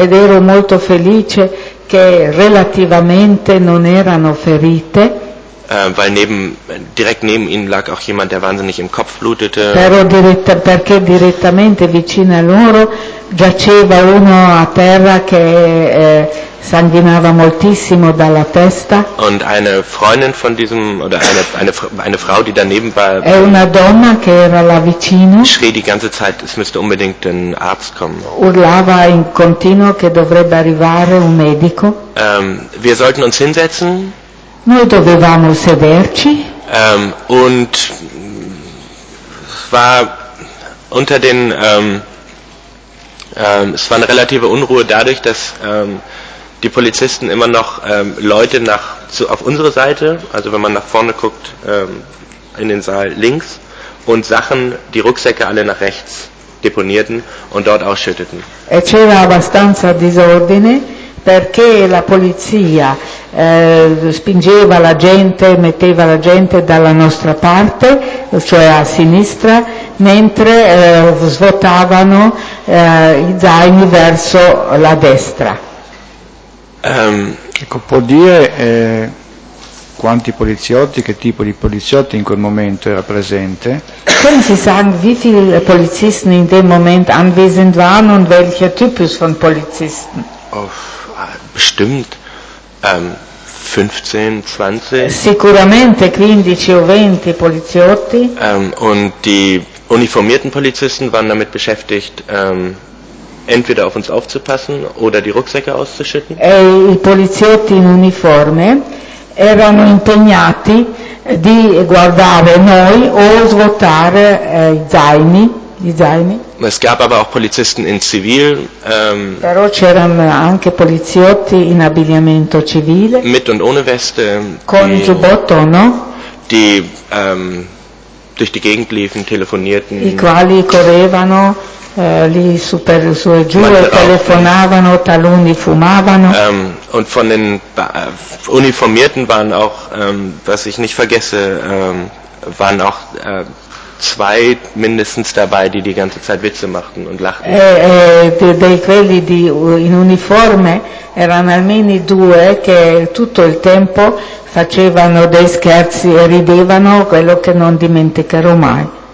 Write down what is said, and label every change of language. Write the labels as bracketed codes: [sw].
[it] Ed ero molto felice che relativamente non erano ferite. [de] Weil neben direkt neben ihnen lag auch jemand, der wahnsinnig im Kopf blutete. [it] Però perché direttamente vicino a loro giaceva uno a terra che sanguinava moltissimo dalla testa. [de] Und eine Freundin von diesem oder eine Frau, die daneben war. [it] E una donna che era là vicino. [de] Schrie die ganze Zeit, es müsste unbedingt ein Arzt kommen. [it] Urlava in continuo che dovrebbe arrivare un medico. [de] Wir sollten uns hinsetzen. [it] Noi dovevamo sederci. [de] Und war unter den es war eine relative Unruhe dadurch, dass die Polizisten immer noch Leute nach zu, auf unsere Seite, also wenn man nach vorne guckt, in den Saal links, und Sachen, die Rucksäcke alle nach rechts deponierten und dort ausschütteten. [it] E c'era abbastanza disordine, perché la polizia spingeva la gente, metteva la gente dalla nostra parte, cioè a sinistra, mentre svuotavano i zaini verso la destra. Ecco, può dire quanti poliziotti, che tipo di poliziotti in quel momento era presente. [de] Können Sie sagen, wie viele Polizisten in dem Moment anwesend waren und welcher Typus von Polizisten? Bestimmt 15, 20. [it] Sicuramente 15 o 20 poliziotti. [de] Und die uniformierten Polizisten waren damit beschäftigt, entweder auf uns aufzupassen oder die Rucksäcke auszuschütten. [it] I poliziotti in uniforme erano impegnati di guardare noi o svuotare i zaini. [de] Es gab aber auch Polizisten in Zivil. [it] Però c'erano anche poliziotti in abbigliamento civile. [de] Mit und ohne Weste. [it] Con giubbotto, no? [de] Die durch die Gegend liefen, telefonierten. [it] I quali correvano lì su per su e giù, telefonavano, taluni fumavano. [de] Und von den Uniformierten waren auch, was ich nicht vergesse, waren auch zwei mindestens dabei, die die ganze Zeit Witze machten und lachten. [it] Dei quelli di in uniforme erano almeno due che tutto il tempo facevano dei scherzi e ridevano, quello che non dimenticherò mai.